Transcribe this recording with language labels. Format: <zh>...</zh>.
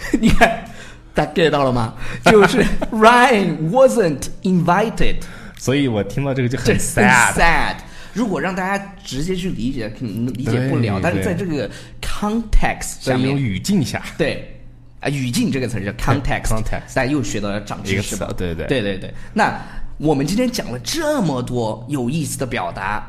<zh>你看，大家 get 到了吗？就是</zh> <en>Ryan wasn't invited，</en> <zh>所以我听到这个就很</zh> <en>sad。</en> <zh>如果让大家直接去理解，可能理解不了。但是在这个 context 下面，语境下，对，语境这个词叫 context， 大家又学到了长知识了。对对对对对。那我们今天讲了这么多有意思的表达，</zh>